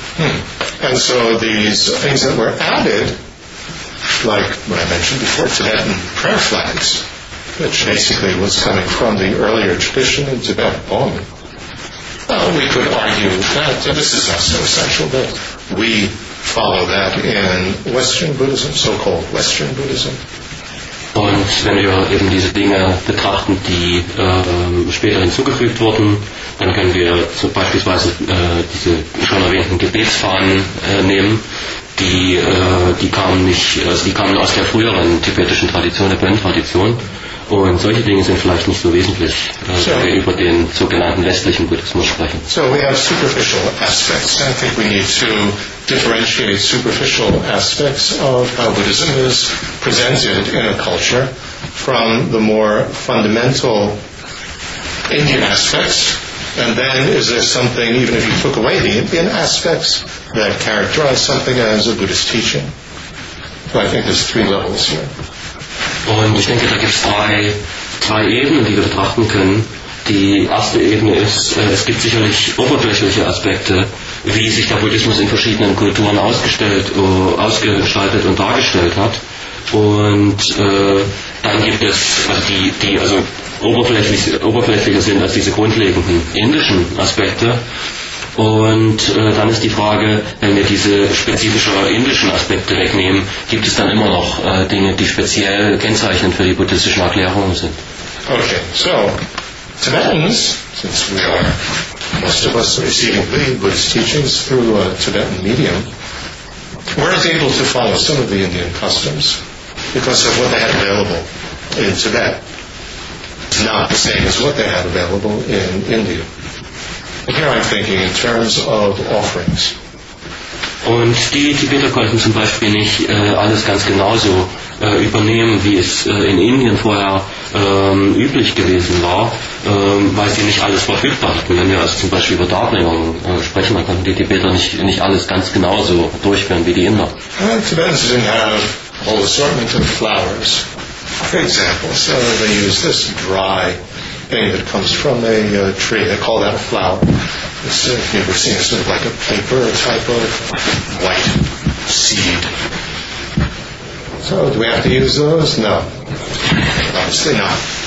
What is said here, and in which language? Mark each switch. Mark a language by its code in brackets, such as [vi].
[en] And so these things that were added, like what I mentioned before, Tibetan prayer flags, which basically was coming from the earlier tradition in Tibet, we could argue that this is not so essential that we follow that in Western Buddhism, so-called Western Buddhism. [de] Und wenn wir eben diese Dinge betrachten, die später hinzugefügt wurden, dann können wir so beispielsweise diese schon erwähnten Gebetsfahnen nehmen, die kamen aus der früheren tibetischen Tradition, der Bön-Tradition. Und solche Dinge sind vielleicht nicht so wesentlich, wenn wir über den sogenannten westlichen Buddhismus sprechen. [en] So, we have superficial aspects. I think we need to differentiate superficial aspects of how Buddhism is presented in a culture from the more fundamental Indian aspects. And then, is there something, even if you took away the Indian aspects, that characterize something as a Buddhist teaching? So I think there's three levels here. [de] Und ich denke, da gibt es drei Ebenen, die wir betrachten können. Die erste Ebene ist, es gibt sicherlich oberflächliche Aspekte, wie sich der Buddhismus in verschiedenen Kulturen ausgestaltet und dargestellt hat. Und dann gibt es die oberflächlicher sind als diese grundlegenden indischen Aspekte. Und dann ist die Frage, wenn wir diese spezifischen indischen Aspekte wegnehmen, gibt es dann immer noch Dinge, die speziell kennzeichnend für die buddhistischen Erklärungen sind? [en] Okay, so, Tibetans, since we are, most of us are receiving the Buddhist teachings through a Tibetan medium, weren't able to follow some of the Indian customs because of what they had available in Tibet. It's not the same as what they had available in India. And here I'm thinking in terms of offerings. [de] Und die Tibeter konnten zum Beispiel nicht alles ganz genauso übernehmen, wie es in Indien vorher üblich gewesen war, weil sie nicht alles verfügbar hatten. Wenn wir also zum Beispiel über Darbringungen sprechen, dann konnten die Tibeter nicht alles ganz genauso durchführen wie die Inder. [en] Tibetans didn't have a whole assortment of flowers, for example. So they use this dry thing that comes from a tree. They call that a flower. It's, if you've ever seen it, sort of like a paper type of white seed. So do we have to use those? No. Obviously not.